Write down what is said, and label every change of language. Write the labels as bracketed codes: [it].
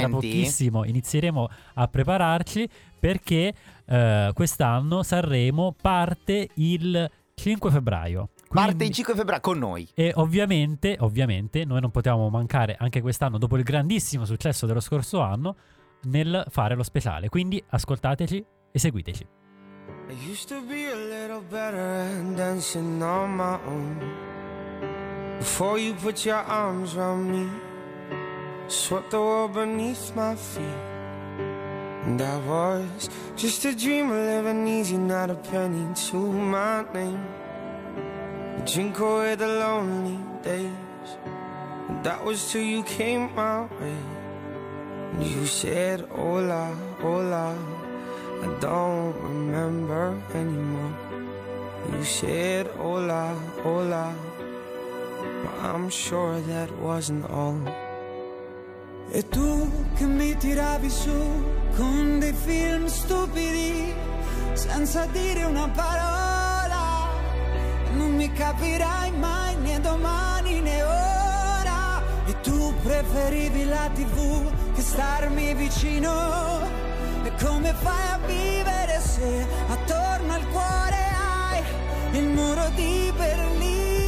[it] Tra pochissimo inizieremo a prepararci perché quest'anno Sanremo parte il 5 febbraio. Quindi, parte il 5 febbraio con noi. E ovviamente noi non potevamo mancare anche quest'anno dopo il grandissimo successo dello scorso anno nel fare lo speciale, quindi ascoltateci e seguiteci. [en] I used to be a little better at dancing on my own. Before you put your arms around me, swept the world beneath my feet. And I was just a dreamer living easy, not a penny to my name. I drink away the lonely days, and that was till you came my way. And you said, hola, hola, I don't remember anymore. You said, hola, hola, but I'm sure that wasn't all. [it] E tu che mi tiravi su con dei film stupidi, senza dire una parola, non mi capirai mai, né domani né ora. E tu preferivi la TV che starmi vicino, e come fai a vivere se attorno al cuore hai il muro di Berlino?